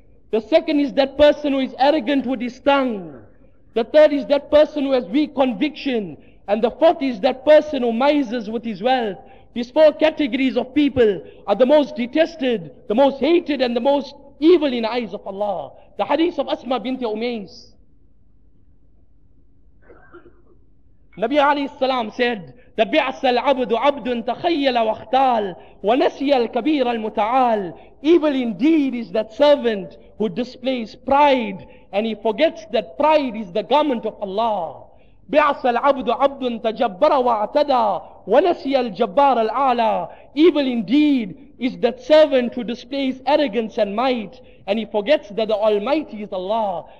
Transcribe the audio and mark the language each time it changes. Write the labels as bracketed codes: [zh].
[en] The second is that person who is arrogant with his tongue. The third is that person who has weak conviction. And the fourth is that person who mises with his wealth. These four categories of people are the most detested, the most hated, and the most evil in the eyes of Allah. The hadith of Asma binti Umays. [ar] Nabi alayhi salam said, تَبِعْسَ الْعَبْدُ عَبْدٌ تَخَيَّلَ وَاخْتَالَ وَنَسِيَ الْكَبِيرَ الْمُتَعَالَ. [en] Evil indeed is that servant who displays pride and he forgets that pride is the garment of Allah. [ar] بِعْسَ الْعَبْدُ عَبْدٌ تَجَبَّرَ وَاعْتَدَى وَنَسِيَ الْجَبَّارَ الْعَالَى. [en] Evil indeed is that servant who displays arrogance and might and he forgets that the Almighty is Allah.